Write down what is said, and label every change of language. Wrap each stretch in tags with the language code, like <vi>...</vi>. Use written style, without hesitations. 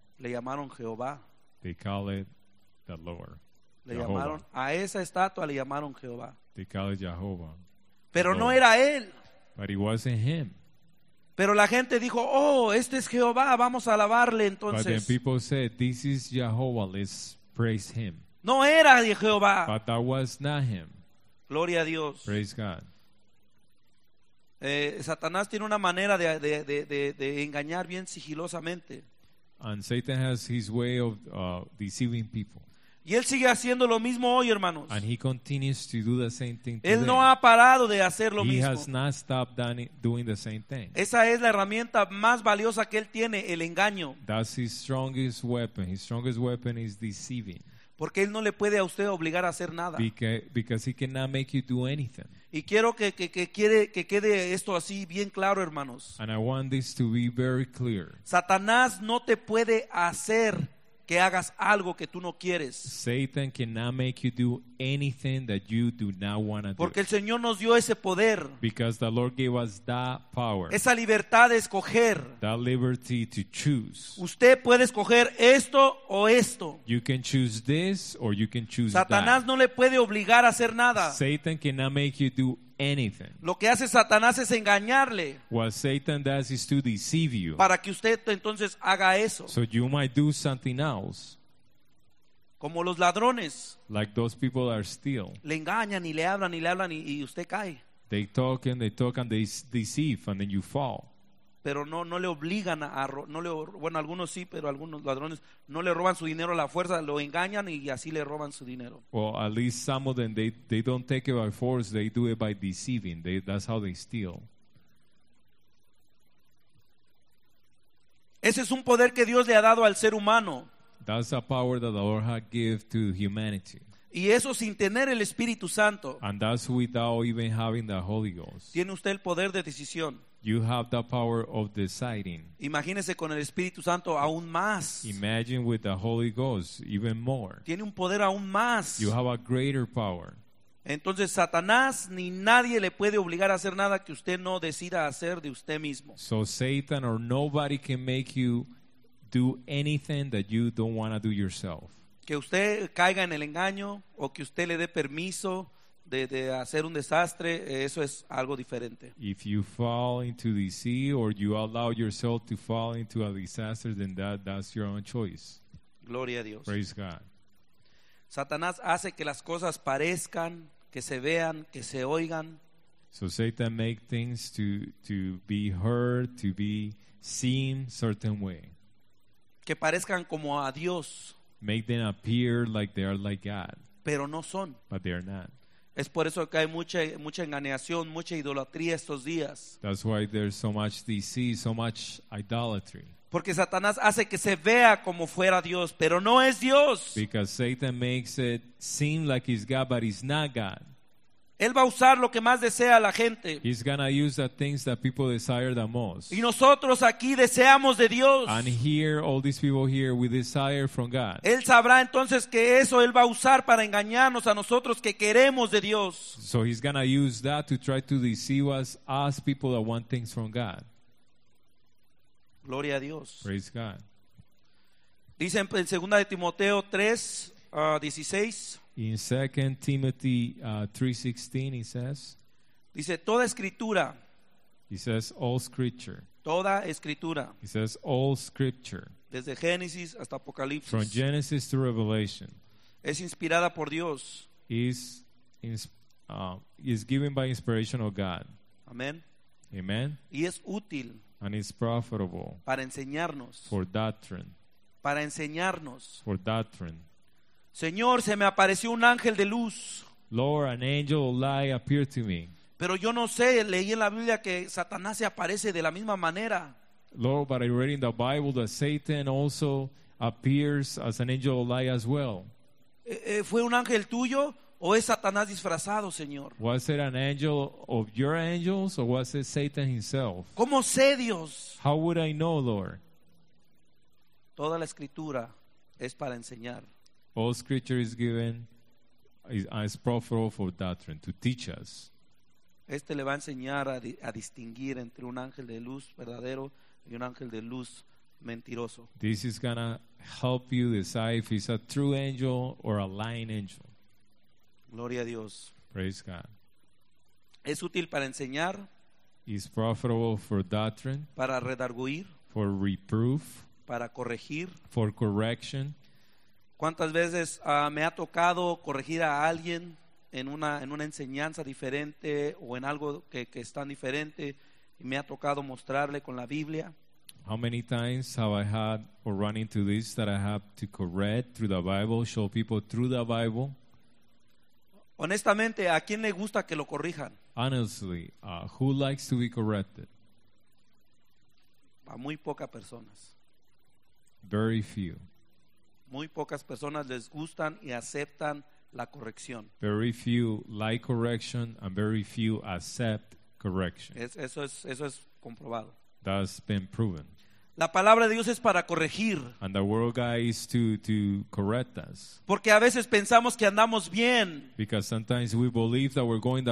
<es>Le llamaron Jehová.</es> <en>They call it the Lord.</en> <es>Le llamaron a esa estatua, le llamaron Jehová.</es> <en>They call it Jehovah.</en> <es>Pero no era él.</es> <en>But it wasn't him.</en> <es>Pero la gente dijo, oh, este es Jehová, vamos a alabarle entonces.</es> <en>But then people said, this is Jehovah, let's praise him.</en> <es>No era Jehová.</es> <en>But that was not him.</en> <es>Gloria a Dios.</es> <en>Praise God.</en> <es>Satanás tiene una manera de engañar bien sigilosamente.</es> <en>And Satan has his way of deceiving people.</en> <es>Y él sigue haciendo lo mismo hoy, hermanos.</es> <en>And he continues to do the same thing today.</en> <es>Él no ha parado de hacer lo mismo.</es> <en>He has not stopped doing the same thing.</en> <es>Esa es la herramienta más valiosa que él tiene, el engaño.</es> <en>That's his strongest weapon. His strongest weapon is deceiving.</en> <es>Porque él no le puede a usted obligar a hacer nada.</es> <en>Because he cannot make you do anything.</en> <es>Y quiero que quede esto así bien claro, hermanos.</es> <en>And I want this to be very clear.</en> <es>Satanás no te puede hacer que hagas algo que tú no quieres.</es> <en>Satan cannot make you do anything that you do not want to do.</en> <es>Porque el Señor nos dio ese poder.</es> <en>Because the Lord gave us that power.</en> <es>Esa libertad de escoger.</es> <en>That liberty to choose.</en> <es>Usted puede escoger esto o esto.</es> <en>You can choose this or you can choose that.</en> <es>Satanás no le puede obligar a hacer nada.</es> <en>Satan cannot make you do anything.</en> <es>Lo que hace Satanás es engañarle.</es> <en>What Satan does is to deceive you.</en> <es>Para que usted entonces haga eso.</es> <en>So you might do something else.</en> <es>Como los ladrones.</es> <en>Like those people are steal.</en> <es>Le engañan y le hablan y le hablan y usted cae.</es> <en>They talk and they deceive and then you fall.</en> <es>Pero no le obligan a no le, bueno, algunos sí, pero algunos ladrones no le roban su dinero a la fuerza, lo engañan y así le roban su dinero.</es> <en>Well, at least some of them, they don't take it by force, they do it by deceiving. That's how they steal.</en> <es>Ese es un poder que Dios le ha dado al ser humano.</es> <en>That's a power that the Lord has given to humanity.</en> <es>Y eso sin tener el Espíritu Santo.</es> <en>And that's without even having the Holy Ghost.</en> <es>Tiene usted el poder de decisión.</es> <en>You have the power of deciding.</en> <es>Imagínese con el Espíritu Santo aún más.</es> <en>Imagine with the Holy Ghost even more.</en> <es>Tiene un poder aún más.</es> <en>You have a greater power.</en> <es>Entonces Satanás ni nadie le puede obligar a hacer nada que usted no decida hacer de usted mismo.</es> <en>So Satan or nobody can make you do anything that you don't want to do yourself.</en> <es>Que usted caiga en el engaño o que usted le dé permiso de hacer un desastre, eso es algo diferente.</es> <en>If you fall into the sea or you allow yourself to fall into a disaster, then that's your own choice.</en> <es>Gloria a Dios.</es> <en>Praise God.</en> <es>Satanás hace que las cosas parezcan, que se vean, que se oigan.</es> <en>So Satan make things to be heard, to be seen certain way.</en> <es>Que parezcan como a Dios.</es> <en>Make them appear like they are like God.</en> <es>Pero no son.</es> <en>But they are not.</en> <es>Es por eso que hay mucha engañación, mucha idolatría estos días.</es> <en>That's why there's so much deceit, so much idolatry.</en> <es>Porque Satanás hace que se vea como fuera Dios, pero no es Dios.</es> <en>Because Satan makes it seem like he's God, but he's not God.</en> <es>Él va a usar lo que más desea la gente.</es> <en>He's gonna use the things that people desire the most.</en> <es>Y nosotros aquí deseamos de Dios.</es> <en>And here, all these people here, we desire from God.</en> <es>Él sabrá entonces que eso él va a usar para engañarnos a nosotros que queremos de Dios.</es> <en>So he's gonna use that to try to deceive us people that want things from God.</en> <es>Gloria a Dios.</es> <en>Praise God.</en> <es>Dice en 2 de Timoteo 3, 16.</es> <en>In 2 Timothy 3:16, he says,</en> <es>dice toda escritura.</es> <en>He says all scripture.</en> <es>Toda escritura.</es> <en>He says all scripture.</en> <es>Desde Génesis hasta Apocalipsis.</es> <en>From Genesis to Revelation.</en> <es>Es inspirada por Dios.</es> <en>Is given by inspiration of God.</en> <es>Amen.</es> <en>Amen.</en> <es>Y es útil.</es> <en>And it's profitable.</en> <es>Para enseñarnos.</es> <en>For doctrine.</en> <es>Para enseñarnos.</es> <en>For doctrine.</en> <es>Señor, se me apareció un ángel de luz.</es> <en>Lord, an angel of light appeared to me.</en> <es>Pero yo no sé, leí en la Biblia que Satanás se aparece de la misma manera.</es> <en>Lord, but I read in the Bible that Satan also appears as an angel of light as well.</en> <es>¿Fue un ángel tuyo o es Satanás disfrazado, Señor?</es> <en>Was it an angel of your angels or was it Satan himself?</en> <es>¿Cómo sé, Dios?</es> <en>How would I know, Lord?</en> <es>Toda la escritura es para enseñar.</es> <en>All scripture is given is profitable for doctrine, to teach us.</en> <es>Este le va a enseñar a distinguir entre un ángel de luz verdadero y un ángel de luz mentiroso.</es> <en>This is going to help you decide if he's a true angel or a lying angel.</en> <es>Gloria a Dios.</es> <en>Praise God.</en> <es>Es útil para enseñar.</es> <en>Is profitable for doctrine.</en> <es>Para redarguir.</es> <en>For reproof.</en> <es>Para corregir.</es> <en>For correction.</en> <es>¿Cuántas veces me ha tocado corregir a alguien en una enseñanza diferente o en algo que es tan diferente y me ha tocado mostrarle con la Biblia?</es> <en>How many times have I had or run into this that I have to correct through the Bible, show people through the Bible?</en> <es>Honestamente, ¿a quién le gusta que lo corrijan?</es> <en>Honestly, who likes to be corrected?</en> <es>A muy pocas personas.</es> <en>Very few.</en> <es>Muy pocas personas les gustan y aceptan la corrección.</es> <en>Very few like correction and very few accept correction.</en> <es>Eso es comprobado.</es> <en>That's been proven.</en> <es>La palabra de Dios es para corregir.</es> <en>And the word of God is to correct us.</en> <es>Porque a veces pensamos que andamos bien.</es> <en>Because sometimes we believe that we're going the</en>